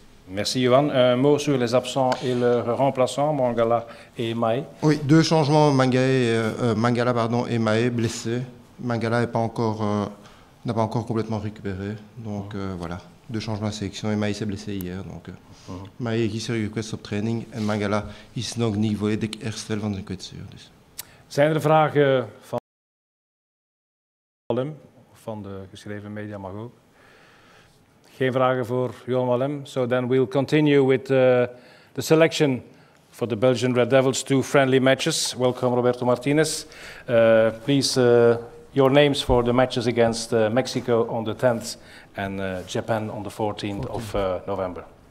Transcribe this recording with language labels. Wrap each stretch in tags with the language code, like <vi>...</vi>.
<fr>Merci Johan. Un mot sur les absents et leurs remplaçants, Mangala et Mae. Oui, deux changements, Mangala et Mae blessés. Mangala est pas encore, n'a pas encore complètement récupéré. Donc voilà, deux changements à sélection et Mae s'est blessé hier.</fr> <nl>Donc, Mae is hier gekwetst op training en Mangala is nog niet volledig hersteld van zijn kwetsuur. Dus. Zijn er vragen van Wallem, van de geschreven media mag ook? Geen vragen voor Johan Wallem.</nl> <en>So then we'll continue with the selection for the Belgian Red Devils 2 friendly matches. Welcome Roberto Martinez. Please, your names for the matches against Mexico on the 10th and Japan on the 14th of November.</en>